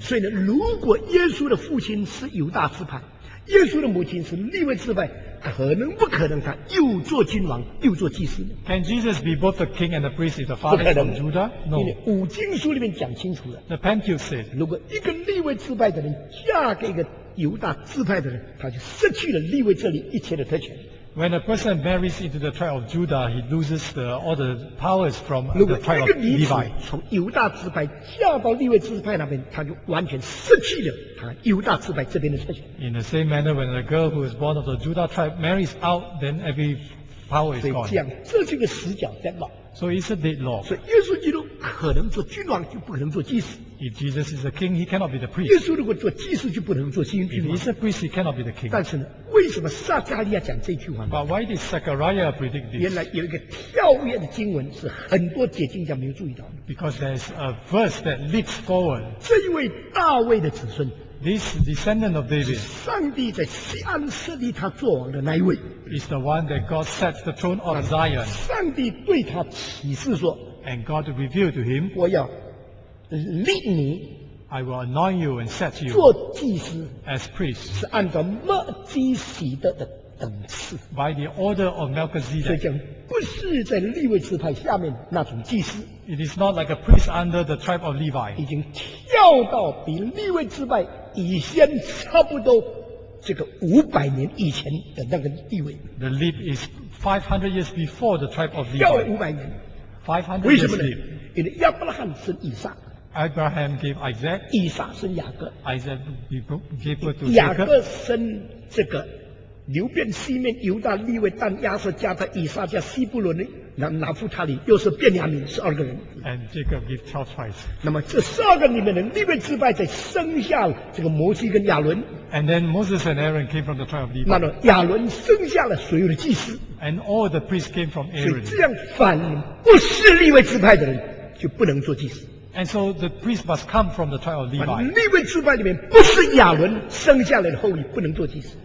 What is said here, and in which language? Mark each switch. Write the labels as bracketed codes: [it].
[zh] 所以呢，如果耶稣的父亲是犹大支派，耶稣的母亲是利未支派，可能不可能他又做君王又做祭司 [en] ？Can Jesus be both the king and the priest if the father is from Judah? No. [zh] 因为五经书里面讲清楚了。 [en] The Pentateuch says， [zh] 如果一个利未支派的人嫁给一个犹大支派的人，他就失去了利未这里一切的特权。 [en] When a person marries into the tribe of Judah, he loses all the powers from the tribe of Levi. [zh] 如果一个女子从犹大支派嫁到利未支派那边，她就完全失去了她犹大支派这边的特权。 [en] In the same manner, when a girl who is born of the Judah tribe marries out, then every power is gone. [zh] 所以这样，这就是死角 deadlock. [en] So it's a deadlock. [zh] 所以耶稣基督可能做君王，就不可能做祭司。 [en] If Jesus is a king, he cannot be the priest. [zh] 耶稣如果做祭司，就不能做君王。 [en] If he's a priest, he cannot be the king. [zh] 但是呢？为什么撒迦利亚讲这句话呢 [en] ？But why did Zechariah predict this？ [zh] 原来有一个跳跃的经文是很多解经家没有注意到的。 [en] Because there's a verse that leaps forward。 [zh] 这一位大卫的子孙 [en] ，This descendant of David， [zh] 是上帝在锡安设立他作王的那一位。 [en] Is the one that God set the throne of Zion。 [zh] 上帝对他启示说 [en] ，And God revealed to him， [zh] 我要立你。 [en] I will anoint you and set you [zh] 做祭司 [en] as priest [zh] 是按照墨基洗德的等次 [en] by the order of Melchizedek [zh] 所以讲不是在利未支派下面那种祭司 [en] it is not like a priest under the tribe of Levi [zh] 已经跳到比利未支派以先差不多这个五百年以前的那个地位 [en] the leap is 500 years before the tribe of Levi [zh] 跳了五百年 [en] 500 years [zh] 为什么呢因为亚伯拉罕生以撒 [en] Abraham gave Isaac. [zh] 以撒生雅各。 [en] Isaac gave birth to Jacob. [zh] 雅各生这个流变西面犹大利未但亚瑟加他以撒加西布伦那拿弗他里又是便雅悯是二个人。 [en] And Jacob gave 12 tribes. [zh] 那么这十二个里面的利未支派在生下了这个摩西跟亚伦。 [en] And then Moses and Aaron came from the tribe of Levi. [zh] 那么亚伦生下了所有的祭司。 [en] And all the priests came from Aaron. [zh] 所以这样反不是利未支派的人就不能做祭司。 [en] And so the priest must come from the tribe of Levi. [zh] 利未支派里面不是亚伦生下来的后裔，不能做祭司。